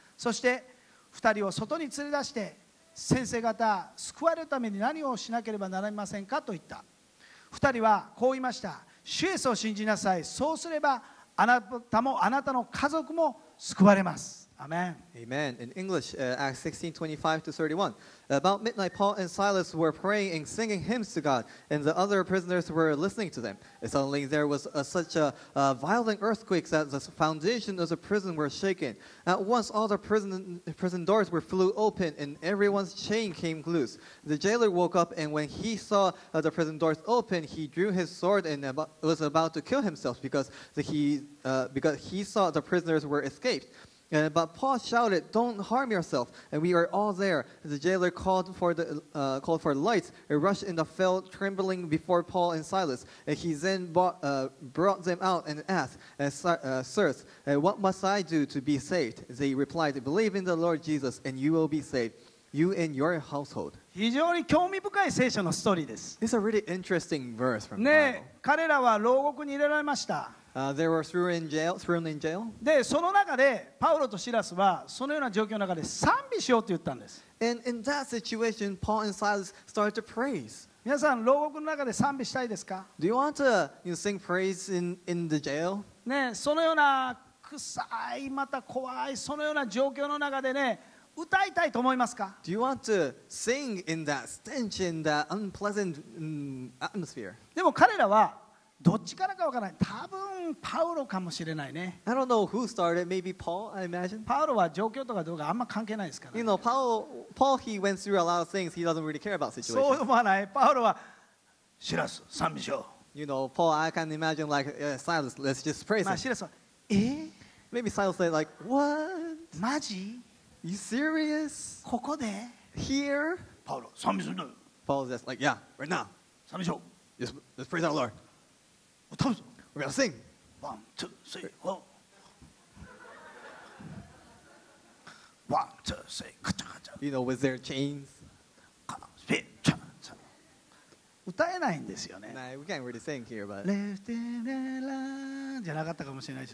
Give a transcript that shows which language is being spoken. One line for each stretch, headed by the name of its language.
Japanese: そして、二人を外に連れ出して、先生方、救われるために何をしなければなりませんかと言った。二人はこう言いました。主イエスを信じなさい。そうすれば、あなたもあなたの家族も救われます。
English: Amen. Amen. In English, Acts 16:25-31. About midnight, Paul and Silas were praying and singing hymns to God, and the other prisoners were listening to them. And suddenly there was such a violent earthquake that the foundations of the prison were shaken. At once all the prison doors were flew open and everyone's chain came loose. The jailer woke up, and when he saw the prison doors open, he drew his sword and was about to kill himself because he saw the prisoners were escaped. But Paul shouted, "Don't harm yourself!" And we are all there. The jailer called for lights and rushed in the cell, trembling before Paul and Silas. And he then brought them out and asked, "Sirs, what must I do to be saved?" They replied, "Believe in the Lord Jesus, and you will be saved, you and your household."
Japanese: 非常に興味深い聖書のストーリーです。
English: This is a really interesting verse from the Bible.
Japanese: 彼らは牢獄に入れられました。
English: They were thrown in jail.
Japanese: で、その中でパウロとシラスはそのような状況の中で賛美しようと言ったんです。
English: And in that situation, Paul and Silas started to praise.
Japanese: 皆さん、牢獄の中で賛美したいですか?
English: Do you want to sing praise in the jail?
Japanese: ね、そのような臭い、また怖い、そのような状況の中でね、歌いたいと思いますか?
English: Do you want to sing in that stench, in that unpleasant atmosphere?
Japanese: でも彼らはどっちからかわからない。多分パウロかもしれないね。
English: I don't know who started. Maybe Paul, I imagine.
Japanese: パウロは状況とかどうかあんま関係ないですから、ね。
English: You know, Paul, he went through a lot of things. He doesn't really care about situation.
Japanese: そう思わない。パウロはシラス賛美しよう。
English: You know, Paul, I can imagine like Silas. Let's just praise.
Japanese: まあシラスは、
English: Maybe Silas said like, what?
Japanese: マジ
English: ？You serious?
Japanese: ここで
English: ？Here?
Japanese: パウロ賛美するんだよ。
English: Paul's just like, yeah, right now.
Japanese: 賛美しよう。
English: Just praise our Lord. We're gonna sing. One, two, three, four. One, two, three, cha cha cha. You know, with their chains. Spin, cha cha.
Japanese: 歌えないんですよね。
English: Nah, we can't really sing here, but. Left and right,
Japanese: じゃなかったかもしれないし。